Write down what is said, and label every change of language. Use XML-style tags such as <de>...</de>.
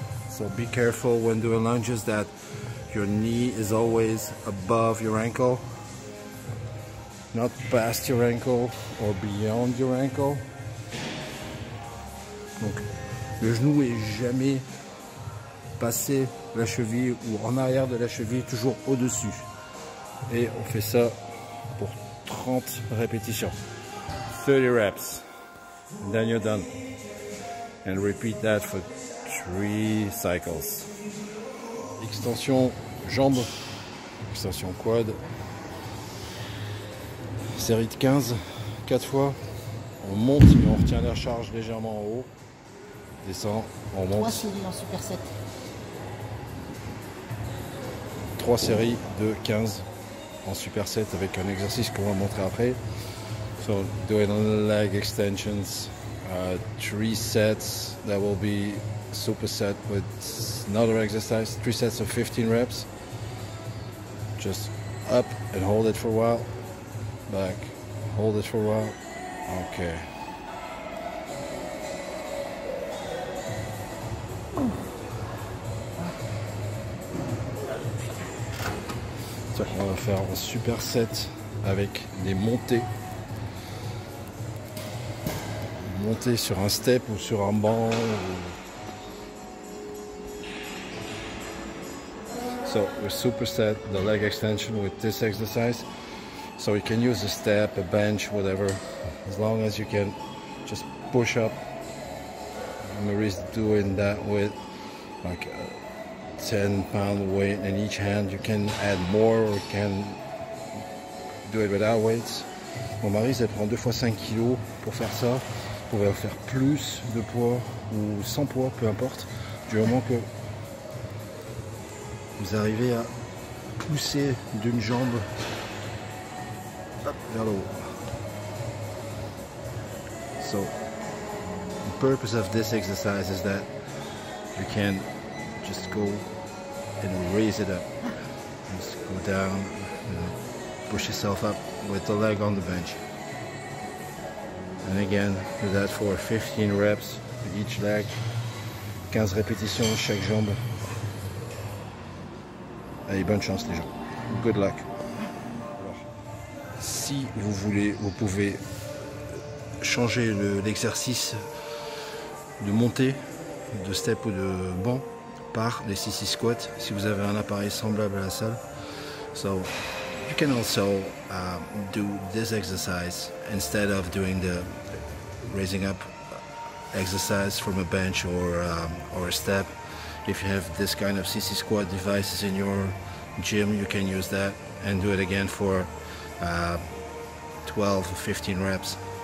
<en>So be careful when doing lunges that your knee is always above your ankle, not past your ankle or beyond your ankle.</en> <fr>Donc le genou est jamais passé la cheville ou en arrière de la cheville, toujours au-dessus. Et on fait ça pour 30 répétitions.</fr> <en>30 reps. And then you're done. And repeat that for 3 cycles.</en> <fr>Extension jambes, extension quad. Série de 15, 4 fois. On monte et on retient la charge légèrement en haut. Descends, on monte. 3 séries en superset. 3 séries de 15 en superset avec un exercice qu'on va montrer après.</fr> <en>So, doing leg extensions. 3 sets, that will be superset with another exercise. 3 sets of 15 reps. Just up and hold it for a while. Back, hold it for a while. Okay.</en> <fr>On va faire un super set avec des montées. Monter sur un step ou sur un banc.</fr> <en>So we superset the leg extension with this exercise. So you can use a step, a bench, whatever. As long as you can just push up. Marie's doing that with like a 10-pound weight in each hand. You can add more or you can do it without weights.</en> <fr>Mon mari, elle prend 2 fois 5 kilos pour faire ça. Vous pouvez faire plus de poids ou sans poids, peu importe, du moment que vous arrivez à pousser d'une jambe vers le haut.</fr> <en>So, the purpose of this exercise is that you can just go and raise it up. Just go down and push yourself up with the leg on the bench. And again, do that for 15 reps each leg,</en> <fr>15 répétitions chaque jambe. Allez, bonne chance les gens.</fr> <en>Good luck.</en> <fr>Alors, si vous voulez, vous pouvez changer l'exercice de montée, de step ou de banc par les CC squats si vous avez un appareil semblable à la salle.</fr> <en>So, you can also do this exercise instead of doing the raising up exercise from a bench or a step. If you have this kind of CC squat devices in your gym, you can use that and do it again for 12 or 15 reps.</en>